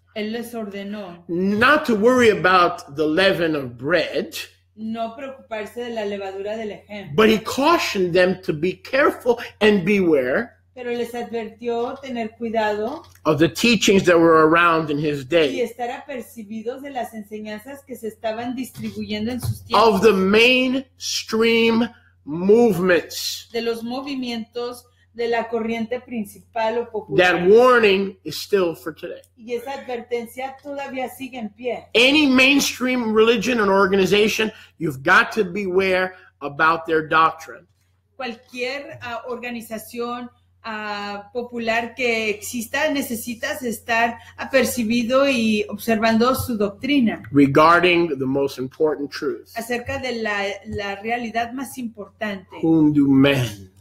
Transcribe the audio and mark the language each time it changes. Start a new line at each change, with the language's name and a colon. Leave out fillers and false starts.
Spanish: Él les ordenó.
English: Not to worry about the leaven of bread.
Spanish: No preocuparse de la levadura del ejemplo.
English: But he cautioned them to be careful and beware.
Spanish: Pero les advirtió tener cuidado
English: of the teachings that were around in his day.
Spanish: Y estar apercibidos de las enseñanzas que se estaban distribuyendo en sus tiempos.
English: Of the mainstream movements.
Spanish: De los movimientos de la corriente principal o popular.
English: That warning is still for today.
Spanish: Y esa advertencia todavía sigue en pie.
English: Any mainstream religion and organization, you've got to beware about their doctrine.
Spanish: Cualquier organización popular que exista, necesitas estar apercibido y observando su doctrina.
English: Regarding the most important truth.
Spanish: Acerca de la realidad más importante.
English: Whom do men?